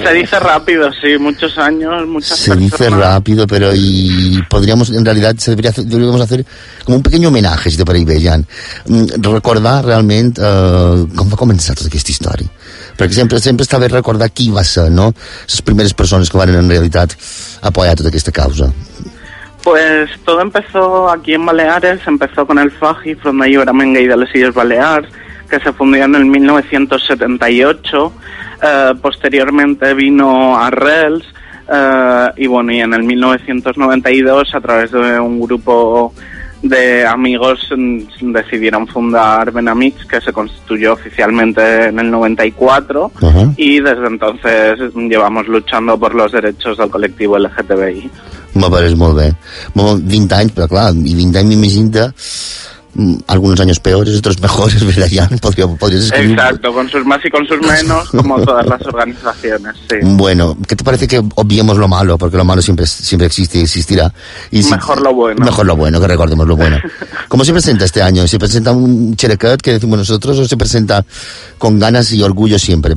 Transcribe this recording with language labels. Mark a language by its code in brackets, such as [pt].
[es] Se dice rápido, sí, muchos años, muchas se personas. Se dice rápido, pero y podríamos, en realidad, se debería, deberíamos hacer como un pequeño homenaje, [ca] si te pareix bé, [es] Jan. [ca] Recordar realment com va començar tota aquesta història. Perquè sempre està bé recordar qui va ser, no? Les primeres persones que van, en realitat, apoyar tota aquesta causa. [es] Pues todo empezó aquí en Baleares, empezó con el FAGI, Front de Alliberament Gay de les Illes Balears, que se fundió en el 1978, posteriormente vino a Arrels, y bueno, y en el 1992, a través de un grupo de amigos, decidieron fundar Benamics, que se constituyó oficialmente en el 94, uh-huh. Y desde entonces llevamos luchando por los derechos del colectivo LGTBI. [ca] Me pareix molt bé. 20 anys, però clar, i 20 anys m'imagino de... Alguns anys peores, altres mejores, [es] ¿verdad, Jan? Podrías escribir... Exacto, con sus más y con sus menos, como todas las organizaciones, sí. Bueno, ¿qué te parece que obviemos lo malo? Porque lo malo siempre existe y existirá. Y mejor lo bueno. Mejor lo bueno, que recordemos lo bueno. ¿Cómo se presenta este año? ¿Se presenta un cherecut que decimos nosotros o se presenta con ganas y orgullo siempre?